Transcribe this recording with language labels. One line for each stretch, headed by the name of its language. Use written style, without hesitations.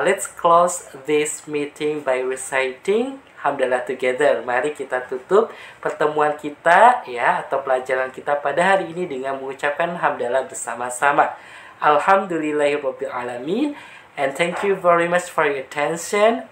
English: Let's close this meeting by reciting Alhamdulillah together.
Indonesian: Mari kita tutup pertemuan kita ya atau pelajaran kita pada hari ini dengan mengucapkan Alhamdulillah bersama-sama.
Arabic: Alhamdulillahirabbil alamin
English: and thank you very much for your attention.